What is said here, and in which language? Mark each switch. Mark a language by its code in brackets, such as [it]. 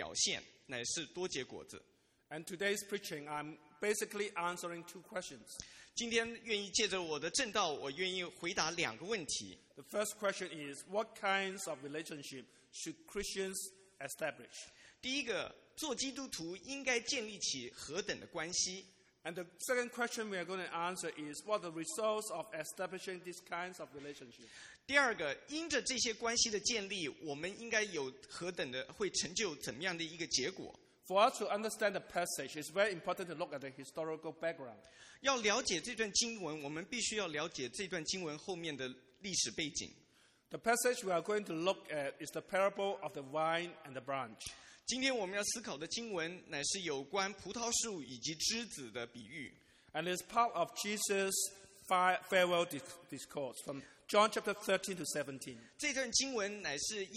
[zh] 所以也因着这个主题，我今天愿意与大家分享有关如何做主门徒，乃是如何一个做主门徒如何应该有的一个表现，乃是多结果子。 [en] And today's preaching, I'm basically answering two questions. [zh] 今天愿意借着我的正道，我愿意回答两个问题。 [en] The first question is, what kinds of relationship should Christians establish? [zh] 第一个，做基督徒应该建立起何等的关系？ [en] And the second question we are going to answer is, what are the results of establishing these kinds of relationships? [zh] 第二个，因着这些关系的建立，我们应该有何等的，会成就怎么样的一个结果？ [en] For us to understand the passage, it's very important to look at the historical background. [zh] 要了解这段经文，我们必须要了解这段经文后面的历史背景。 [en] The passage we are going to look at is the parable of the vine and the branch. [zh] 今天我们要思考的经文乃是有关葡萄树以及枝子的比喻。 [en] And it's part of Jesus' farewell discourse from John chapter 13 to 17.